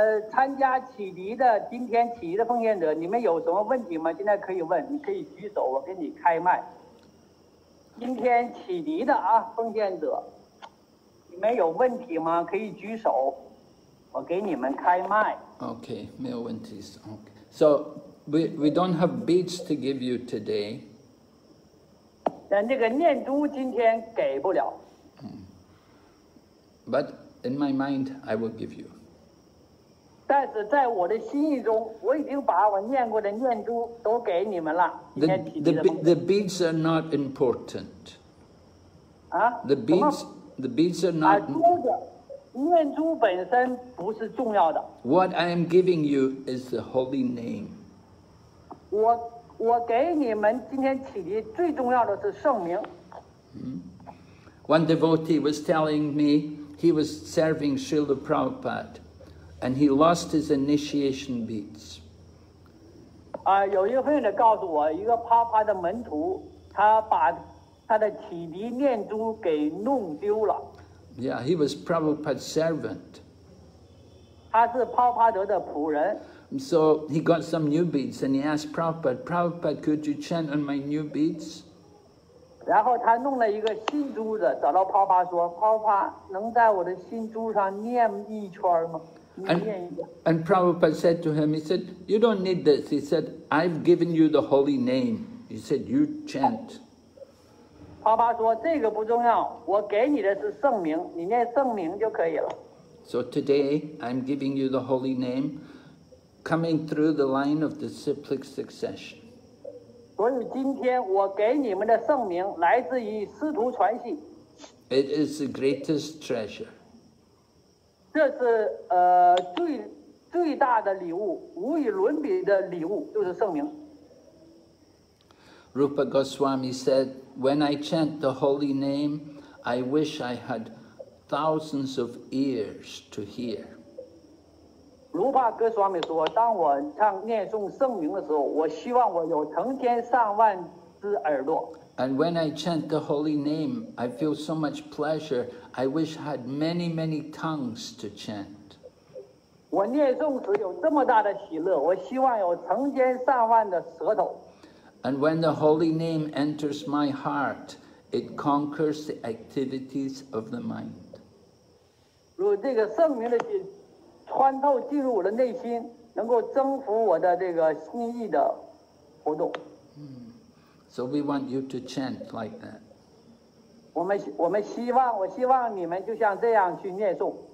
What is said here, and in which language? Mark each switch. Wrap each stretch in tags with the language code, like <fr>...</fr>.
<zh>参加启迪的今天启迪的奉献者，你们有什么问题吗？现在可以问，你可以举手，我给你开麦。今天启迪的啊，奉献者，你们有问题吗？可以举手，我给你们开麦。 Okay, 没有问题。</zh> <en>Okay, so we don't have beads to give you today.</en> <zh>但这个念珠今天给不了。</zh> <en>But in my mind, I will give you.</en> <zh>但是在我的心意中，我已经把我念过的念珠都给你们了。</zh> <en>The beads are not important. 啊？ The beads are not.</en> <zh>念珠本身不是重要的。</zh> <en>What I am giving you is the holy name.</en> <zh>我给你们今天启迪最重要的是圣名。</zh> <en>One devotee was telling me he was serving Srila Prabhupada and he lost his initiation beads.</en> <zh>有一个朋友告诉我，一个帕帕的门徒，他把他的启迪念珠给弄丢了。</zh> <en>Yeah, he was Prabhupada's servant.</en> <zh>他是帕帕德的仆人。</zh> <en>So he got some new beads and he asked Prabhupada, Prabhupada, could you chant on my new beads?</en> <zh>然后他弄了一个新珠子，找到帕帕说，帕帕能在我的新珠上念一圈吗？</zh> <en>And Prabhupada said to him, he said, you don't need this. He said, I've given you the holy name. He said, you chant.</en> <zh>帕帕说，这个不重要，我给你的是圣名，你念圣名就可以了。</zh> <en>So today, I'm giving you the holy name. Coming through the line of the cyclic succession.</en> <zh>所以今天我给你们的圣名来自于师徒传系。</zh> <en>It is the greatest treasure.</en> <zh>这是最大的礼物，无与伦比的礼物，就是圣名。</zh> <en>Rupa Goswami said, "When I chant the holy name, I wish I had thousands of ears to hear."</en> <zh>如帕哥斯瓦米说，当我唱念诵圣名的时候，我希望我有成千上万只耳朵。</zh> <en>And when I chant the holy name, I feel so much pleasure. I wish I had many, many tongues to chant.</en> <zh>我念诵时有这么大的喜乐，我希望有成千上万的舌头。</zh> <en>And when the holy name enters my heart, it conquers the activities of the mind.</en> <zh>如果这个圣灵的心穿透进入我的内心，能够征服我的这个心意的活动。</zh> <en>So we want you to chant like that.</en> <zh>我们希望，我希望你们就像这样去念诵。</zh>